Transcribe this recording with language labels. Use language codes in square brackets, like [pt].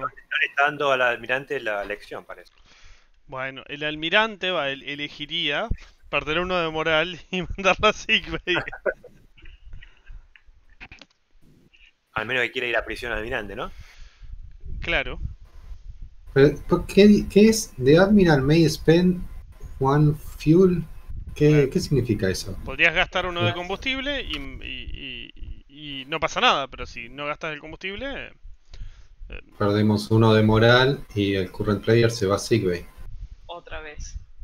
[es] No le está dando al almirante la lección, parece. Bueno, el almirante va, elegiría perder uno de moral y mandarlo a sickbay. Al menos que quiera ir a prisión almirante, ¿no? Claro. ¿Qué es? [en] The Admiral may spend one fuel. [es] ¿Qué significa eso? Podrías gastar uno de combustible y no pasa nada, pero si no gastas el combustible. Perdemos uno de moral y el current player se va a sickbay. Otra vez.